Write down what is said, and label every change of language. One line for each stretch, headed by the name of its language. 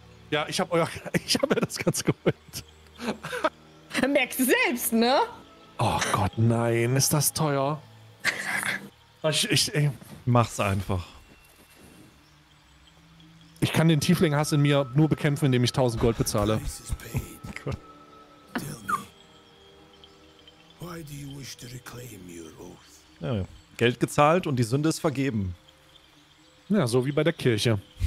German: Ja, ich habe ja das ganze Gold. Merkst du selbst, ne? Oh Gott, nein, ist das teuer. Ich mach's einfach. Ich kann den Tiefling-Hass in mir nur bekämpfen, indem ich 1000 Gold bezahle.
English: Why do you wish to reclaim your oath?
German: Ja, Geld gezahlt und die Sünde ist vergeben. Ja, so wie bei der Kirche.